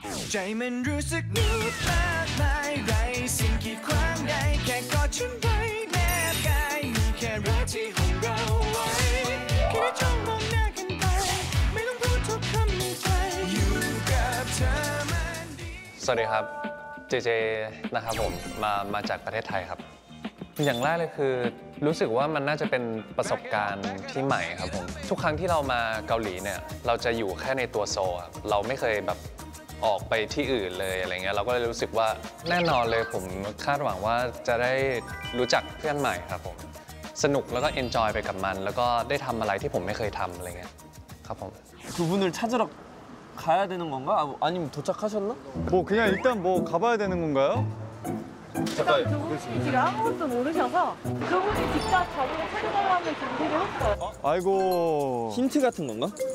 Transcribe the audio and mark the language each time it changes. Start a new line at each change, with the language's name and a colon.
Thai: 제이먼 루스 누파 마이 라이싱 기광 가이케 거친 바이 내가 유케 라지 홍로와이 그래 정복 나긴 바이 미동 부족한 미파이 유가 타만 디 เจเจนะครับผมมาจากประเทศไทยครับ อย่างแรกเลยคือรู้สึกว่ามันน่าจะเป็นประสบการณ์ที่ใหม่ครับผม ทุกครั้งที่เรามาเกาหลีเนี่ยเราจะอยู่แค่ในตัวโซเราไม่เคยแบบออกไปที่อื่นเลยอะไรเงี้ย เราก็เลยรู้สึกว่าแน่นอนเลยผมคาดหวังว่าจะได้รู้จักเพื่อนใหม่ครับผม สนุกแล้วก็เอนจอยไปกับมันแล้วก็ได้ทำอะไรที่ผมไม่เคยทำอะไรเงี้ยครับผม
Korean: คุณ분을 찾으러 가야 되는 건가? 아니면 도착하셨나? 뭐 그냥 일단 뭐 가봐야 되는 건가요? 잠깐 두 분이 지금 아무것도 모르셔서 두 분이 직접 자리를 찾아달라는 준비를 했어요. 어? 아이고 힌트 같은 건가?